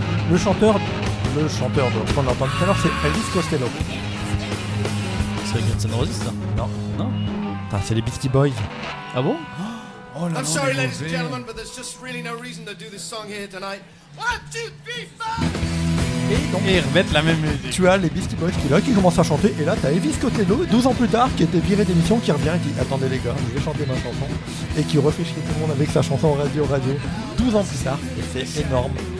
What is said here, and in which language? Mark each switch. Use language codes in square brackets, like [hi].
[fr] Le chanteur qu'on a entendu tout à l'heure, c'est Elvis Costello. C'est Guns N' Roses, ça? Non. Non. Ah, c'est les Beastie Boys. Ah bon? Oh là là. [en] I'm sorry, ladies and gentlemen, but there's just really no reason to do this song here tonight. [fr] 1, 2, 3, 4! Et donc, ils remettent la même musique. Tu as les Beastie Boys qui commencent à chanter, et là, t'as Elvis Costello, 12 ans plus tard, qui était viré d'émission, qui revient et qui dit: attendez, les gars, je vais chanter ma chanson. Et qui refait chier tout le monde avec sa chanson radio. 12 ans plus tard, et c'est énorme.